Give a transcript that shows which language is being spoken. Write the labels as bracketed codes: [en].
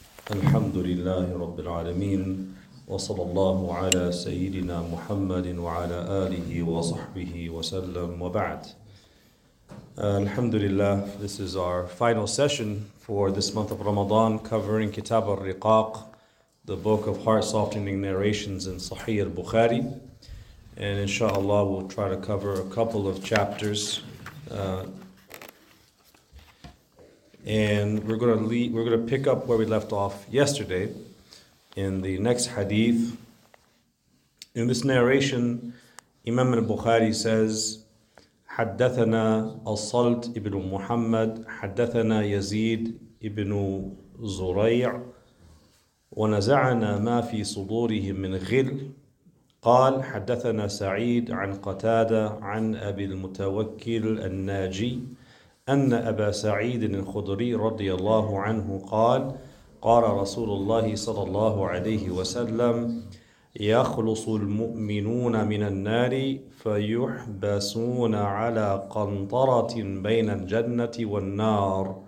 [ar] الحمد لله رب العالمين، وصلى الله على سيدنا محمد وعلى آله وصحبه وسلم وبعد. الحمد لله. [en] This is our final session for this month of Ramadan, covering Kitab al-Riqaq, the book of heart-softening narrations in Sahih al-Bukhari. And inshallah, we'll try to cover a couple of chapters. And we're going to pick up where we left off yesterday in the next hadith. In this narration, Imam al-Bukhari says, [ar] حَدَّثَنَا أَصَلْتْ إِبْنُ مُحَمَّدٍ حَدَّثَنَا يَزِيدْ إِبْنُ زُرَيْعٍ وَنَزَعَنَا مَا فِي صُدُورِهِمْ مِنْ غِلٍ قال حدثنا سعيد عن قتادة عن أبي المتوكل الناجي أن أبا سعيد الخدري رضي الله عنه قال قال رسول الله صلى الله عليه وسلم يخلص المؤمنون من النار فيحبسون على قنطرة بين الجنة والنار